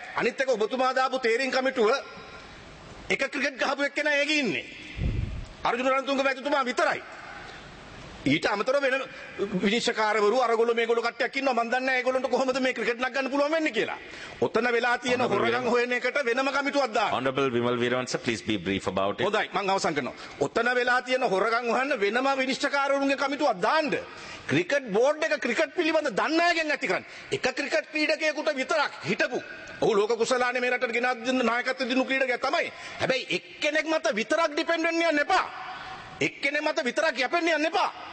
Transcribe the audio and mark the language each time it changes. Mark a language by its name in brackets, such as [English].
[Sinhala] අනිත් එක ඔබතුමා දාපු තේරීම් කමිටුව එක ක්‍රිකට් ගහපු එක්කෙනා ඒකේ ඉන්නේ. අර්ජුන රණතුංග වැදතුමා විතරයි. ඊට අමතරව වෙන විනිශ්චකාරවරු අරගොල්ලෝ මේගොල්ලෝ කට්ටියක් ඉන්නවා මම දන්නේ නැහැ ඒගොල්ලන්ට කොහොමද මේ ක්‍රිකට් නක් ගන්න පුළුවන් වෙන්නේ කියලා. ඔතන වෙලා තියෙන හොරගම් හොයන එකට වෙනම කමිටුවක් දාන්න. [English] Honorable Vimal Veeramansa please be brief about it. [Sinhala] හොඳයි මම අවසන් කරනවා. ඔතන වෙලා තියෙන හොරගම් හොයන්න වෙනම විනිශ්චකාරවරුන්ගේ කමිටුවක් දාන්න. ක්‍රිකට් බෝඩ් එක ක්‍රිකට් පිළිබඳ දන්නා යගෙන් ඇති කරන්න. එක ක්‍රිකට් ක්‍රීඩකයෙකුට විතරක් හිටපු ඔහු ලෝක කුසලානේ මේ රටට ගෙනත් දෙන නායකත්ව දිනු ක්‍රීඩකයා තමයි. හැබැයි එක්කෙනෙක් මත විතරක් ඩිපෙන්ඩ් වෙන්න යන්න එපා. එක්කෙනෙක් මත විතරක් යැපෙන්න යන්න එපා.